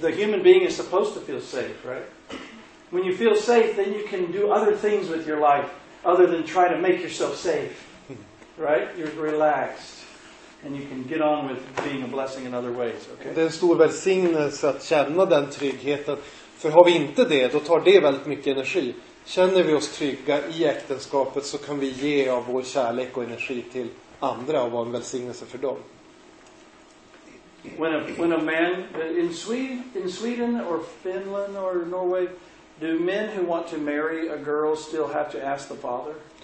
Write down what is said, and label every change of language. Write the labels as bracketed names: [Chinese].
[English] The human being is supposed to feel safe, right? When you feel safe, then you can do other things with your life other than try to make yourself safe, right? You're relaxed and you can get on with being a blessing in other ways, okay? [Swedish] Det är en stor välsignelse att känna den tryggheten. För har vi inte det, då tar det väldigt mycket energi. Känner vi oss trygga i äktenskapet så kan vi ge av vår kärlek och energi till andra och vara en välsignelse för dem. [English] When a man in Sweden or Finland or Norway, do men who want to marry a girl still have to ask the father?